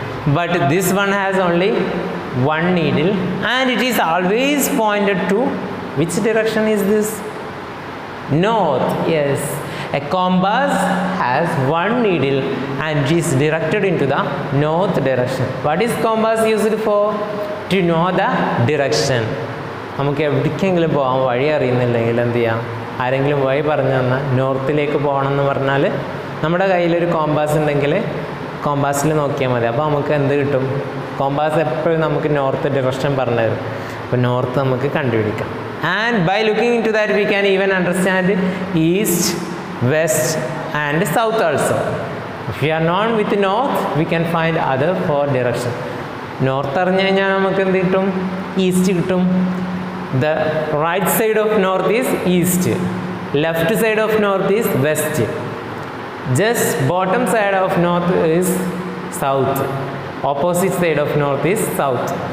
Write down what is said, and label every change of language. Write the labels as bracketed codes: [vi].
[en] But this one has only one needle and it is always pointed to which direction is this? North. Yes, a compass has one needle and is directed into the north direction. What is compass used for? To know the direction. [ml] നമുക്ക് എവിടേക്കെങ്കിലും പോകാൻ വഴി അറിയുന്നില്ലെങ്കിൽ എന്ത് ചെയ്യാം? ആരെങ്കിലും വഴി പറഞ്ഞു തന്നാൽ നോർത്തിലേക്ക് പോകണം എന്ന് പറഞ്ഞാൽ നമ്മുടെ കയ്യിലൊരു കോമ്പാസ് ഉണ്ടെങ്കിൽ കോമ്പാസിൽ നോക്കിയാൽ മതി. അപ്പോൾ നമുക്ക് എന്ത് കിട്ടും? കോമ്പാസ് എപ്പോഴും നമുക്ക് നോർത്ത് ഡിറക്ഷൻ പറഞ്ഞു തരും. അപ്പോൾ നോർത്ത് നമുക്ക് കണ്ടുപിടിക്കാം. [en] And by looking into that, we can even understand east, west, and south also. If we are not with north, we can find other four directions. [ml] North arinjaya namak endittum east kittum. [en] The right side of north is east, left side of north is west, just bottom side of north is south, opposite side of north is south.